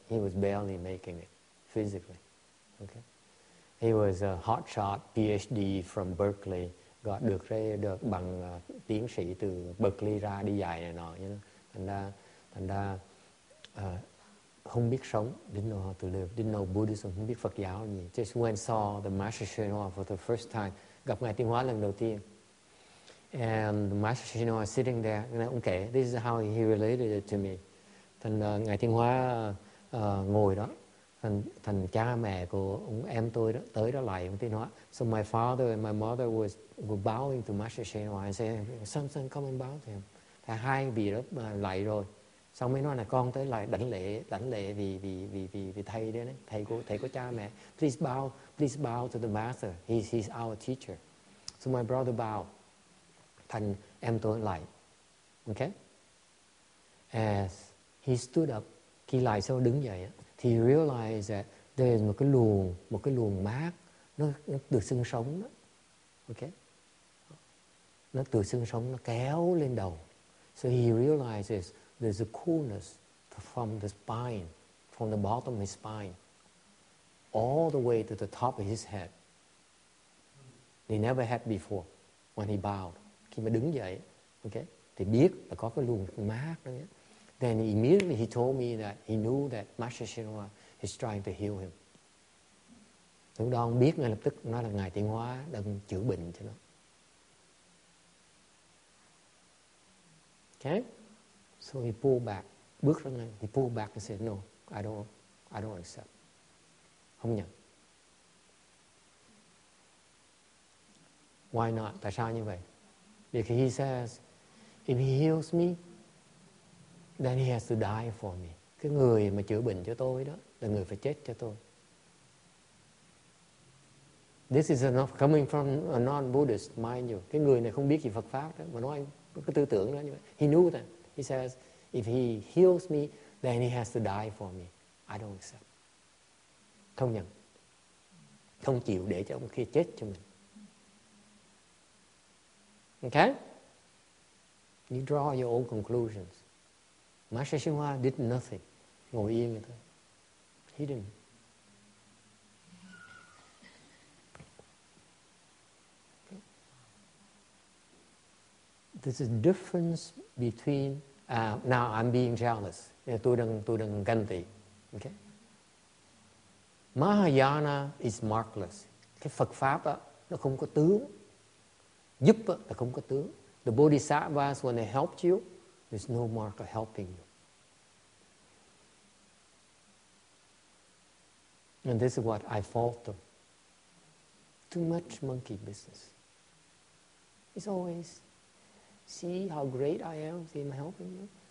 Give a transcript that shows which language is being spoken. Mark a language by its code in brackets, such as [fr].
[en] He was barely making it physically. Okay. He was a hot shot PhD from Berkeley. [vi] Got được ra được bằng tiến sĩ từ Berkeley ra đi dạy này nọ, [en] you know. [vi] Thành ra không biết sống, [en] didn't know how to live, didn't know Buddhism, [vi] không biết Phật giáo gì. [en] Just went saw the Master Shen Hua for the first time. [vi] Gặp ngài Tiên Hóa lần đầu tiên. [en] And Master Shen Hua sitting there, you know, okay, this is how he related it to me. [vi] Thành ngài Tiên Hóa ngồi đó. Thành cha mẹ của ông em tôi đó tới đó lại ông Tiên Hóa. [en] So my father and my mother were bowing to Master Shen Hua and saying, son, come and bow to him. [vi] Thầy hai vị đó lại rồi. Xong mới nói là con tới lại đảnh lễ vì thầy đấy, thầy của cha mẹ. [en] Please bow to the master. He's our teacher. So my brother bow. [vi] Thành em tôi lại. Okay? [en] As he stood up, [vi] khi lại sau đứng dậy, [en] he realized that [vi] There's một cái luồng mát, nó tự sinh sống đó. Ok? Nó tự sinh sống, nó kéo lên đầu. [en] So he realizes there's a coolness from the spine, from the bottom of his spine, all the way to the top of his head. He never had before when he bowed. [vi] Khi mà đứng dậy, okay, thì biết là có cái luồng mát đó nhé. [en] Then he immediately he told me that he knew that Master Shinhua is trying to heal him. [vi] Lúc đó ông biết ngay lập tức nó là Ngài Tiến Hóa đang chữa bệnh cho nó. [en] Okay? So he pulled back. [vi] Bước ra ngay. [en] He pulled back and said, no, I don't accept. [vi] Không nhận. [en] Why not? [vi] Tại sao như vậy? [en] Because he says, if he heals me, then he has to die for me. [vi] Cái người mà chữa bệnh cho tôi đó là người phải chết cho tôi. [en] This is enough coming from a non-Buddhist, mind you. [vi] Cái người này không biết gì Phật Pháp đó, mà nói cái tư tưởng đó như vậy. [en] He knew that. He says, if he heals me, then he has to die for me. I don't accept. [vi] Không nhận. Không chịu để cho ông kia chết cho mình. [en] Okay? You draw your own conclusions. Master Shinhua did nothing. [vi] Ngồi yên người ta. [en] He didn't. There's a difference between now I'm being jealous. [vi] Tôi đang ganh tị. Okay? [en] Mahayana is markless. [vi] Cái Phật Pháp đó, nó không có tướng. Giúp đó, nó không có tướng. [en] The Bodhisattvas, when they helped you, there's no mark of helping you. And this is what I fault them. Too much monkey business. It's always, see how great I am, see I'm helping you.